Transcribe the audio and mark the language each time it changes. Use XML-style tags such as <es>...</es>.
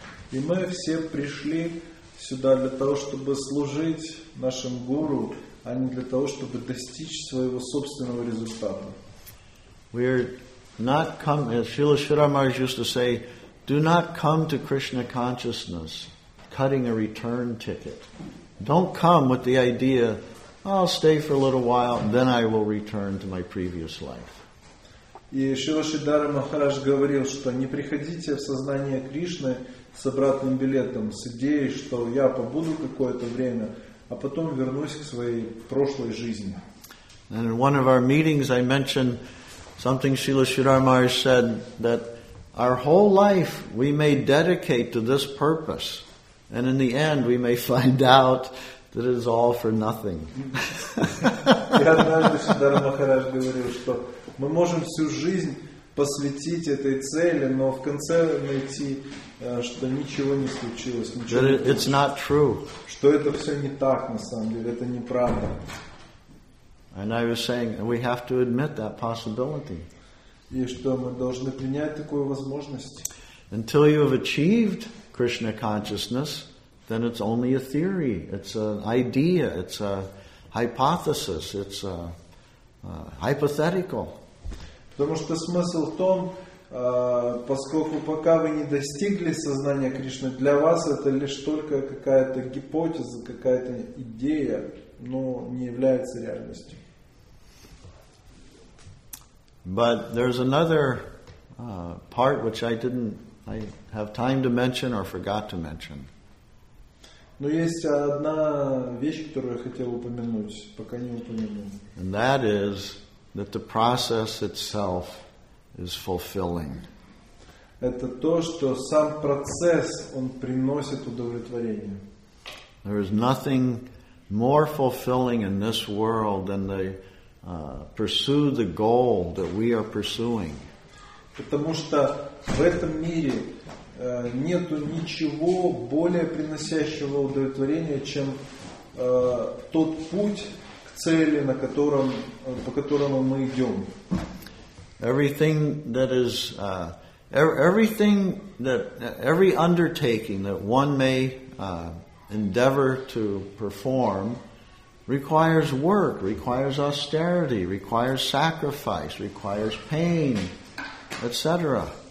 <ru>И мы все пришли сюда для того, чтобы служить нашим гуру, а не для того, чтобы достичь своего собственного результата.</ru> <en>We're not come, as Srila Sridhar Maharaj used to say, do not come to Krishna consciousness cutting a return ticket. Don't come with the idea, I'll stay for a little while, then I will return to my previous life.</en> <ru>И Шрила Шридхара Махарадж говорил, что не приходите в сознание Кришны с обратным билетом, с идеей, что я побуду какое-то время, а потом вернусь к своей прошлой жизни.</ru> <en>And in one of our meetings I mentioned something Шрила Шридхара Махарадж said, that our whole life we may dedicate to this purpose, and in the end we may find out that it is all for nothing.</en> <ru>И однажды Шридхара Махарадж говорил, что мы можем всю жизнь посвятить этой цели, но в конце найти, что ничего не случилось. Ничего</ru> <en>it, it's not true.</en> <ru>Что это все не так на самом деле, это неправда.</ru> <en>And I was saying, we have to admit that possibility.</en> <ru>И что мы должны принять такую возможность?</ru> <en>Until you have achieved Krishna consciousness, then it's only a theory. It's an idea. It's a hypothesis. It's a hypothetical.</en> <ru>Потому что смысл в том, поскольку пока вы не достигли сознания Кришны, для вас это лишь только какая-то гипотеза, какая-то идея, но не является реальностью.</ru> <en>But there's another part which I have time to mention or forgot to mention.</en> <ru>Но есть одна вещь, которую я хотел упомянуть, пока не упомянул.</ru> <en>And that is that the process itself is fulfilling.</en> <ru>Это то, что сам процесс, он приносит удовлетворение.</ru> <en>There is nothing more fulfilling in this world than to pursue the goal that we are pursuing.</en> <ru>Потому что в этом мире нету ничего более приносящего удовлетворения, чем тот путь к цели, на котором, по которому мы идем.</ru> <en>Everything that is every undertaking that one may endeavor to perform requires work, requires austerity, requires sacrifice, requires pain, etc.</en>